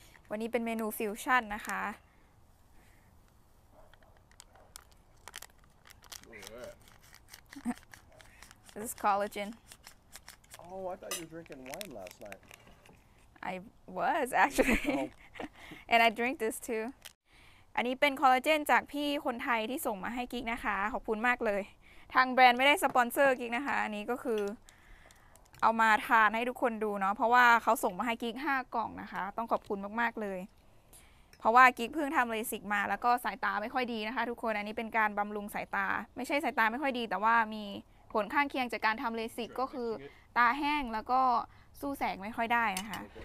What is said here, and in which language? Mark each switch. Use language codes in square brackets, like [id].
[th] วันนี้เป็นเมนูฟิวชั่นนะคะ [en] This is collagen. Oh, I thought you were drinking wine last night. I was actually. Oh. And I drink this too. [th] อันนี้เป็นคอลลาเจนจากพี่คนไทยที่ส่งมาให้กิ๊กนะคะขอบคุณมากเลยทางแบรนด์ไม่ได้สปอนเซอร์กิ๊กนะคะอันนี้ก็คือเอามาทานให้ทุกคนดูเนาะเพราะว่าเขาส่งมาให้กิ๊ก5กล่องนะคะต้องขอบคุณมากๆเลยเพราะว่ากิ๊กเพิ่งทำเลสิกมาแล้วก็สายตาไม่ค่อยดีนะคะทุกคนอันนี้เป็นการบำรุงสายตาไม่ใช่สายตาไม่ค่อยดีแต่ว่ามีผลข้างเคียงจากการทำเลสิกก็คือตาแห้งแล้วก็สู้แสงไม่ค่อยได้นะคะ